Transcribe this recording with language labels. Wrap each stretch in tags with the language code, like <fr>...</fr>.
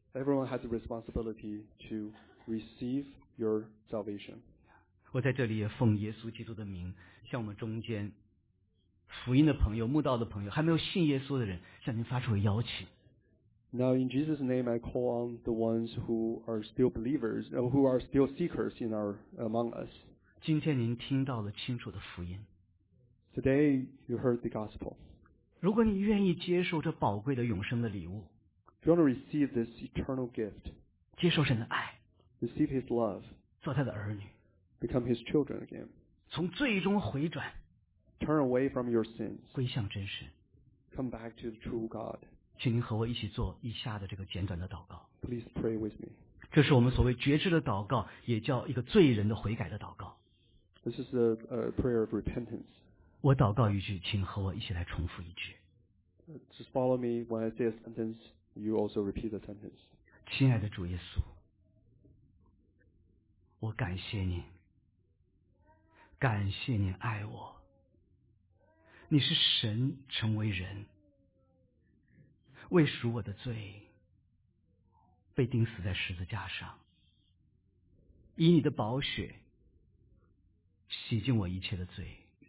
<en>Everyone has a responsibility to receive your salvation.</en> <zh>我在这里也奉耶稣基督的名，向我们中间福音的朋友、慕道的朋友、还没有信耶稣的人，向您发出个邀请。</zh> <en>Now in Jesus' name, I call on the ones who are still believers, who are still seekers in our among us.</en> <zh>今天您听到了清楚的福音。</zh> <en>Today you heard the gospel.</en> <zh>如果你愿意接受这宝贵的永生的礼物，</zh> <en>If you want to receive this eternal gift,</en> <zh>接受神的爱，</zh> <en>receive his love,</en> <zh>做他的儿女，</zh> <en>become his children again,</en> <zh>从罪中回转，</zh> <en>turn away from your sins,</en> <zh>归向真神，</zh> <en>come back to the true God.</en> <zh>请您和我一起做以下的这个简短的祷告。</zh> <en>Please pray with me.</en> <zh>这是我们所谓觉知的祷告，也叫一个罪人的悔改的祷告。</zh> <en>This is a prayer of repentance.</en> <zh>我祷告一句，请和我一起来重复一句。</zh> <en>Just follow me when I say a sentence. You also repeat the sentence.</en> <zh>亲爱的主耶稣，我感谢您，感谢您爱我。你是神成为人，为赎我的罪，被钉死在十字架上，以你的宝血洗净我一切的罪。</zh>